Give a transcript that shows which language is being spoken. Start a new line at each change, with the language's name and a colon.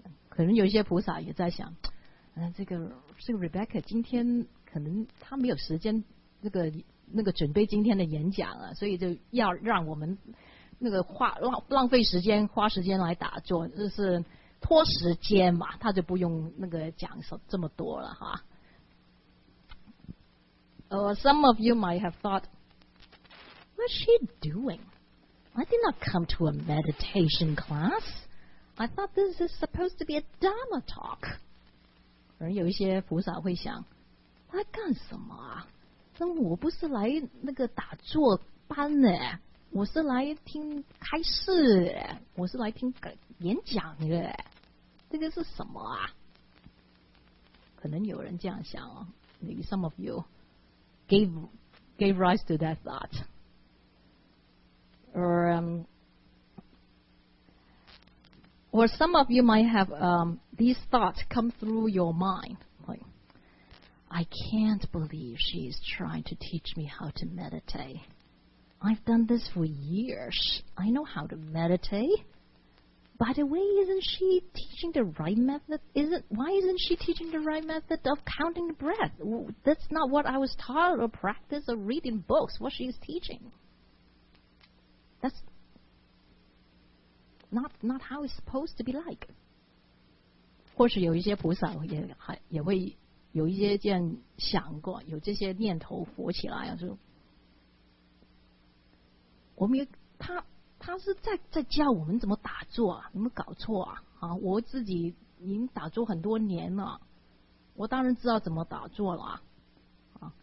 Chinese: 可能有些菩萨也在想，这个 Rebecca 今天可能他没有时间那个准备今天的演讲啊，所以就要让我们那个浪费时间花时间来打坐，就是拖时间嘛，他就不用那个讲这么多了哈。
English: Some of you might have thought, what's she doing? I did not come to a meditation class. I thought this is supposed to be a Dharma talk.
Chinese: 而有一些菩萨会想，我在干什么啊？那我不是来那个打坐班呢，我是来听开示，我是来听演讲的，这个是什么啊？可能有人这样想哦，
English: maybe some of you. Gave rise to that thought. Or some of you might have these thoughts come through your mind. Like, I can't believe she's trying to teach me how to meditate. I've done this for years. I know how to meditate. By the way, isn't she teaching the right method? Why isn't she teaching the right method of counting the breath? That's not what I was taught or practiced or read in books, what she's teaching. That's not how it's supposed to be like.
Chinese: 或许有一些菩萨也会有一些这样想过，有这些念头浮起来，就我们他是在教我们怎么打坐啊？有没有搞错啊？啊，我自己已经打坐很多年了，我当然知道怎么打坐了啊。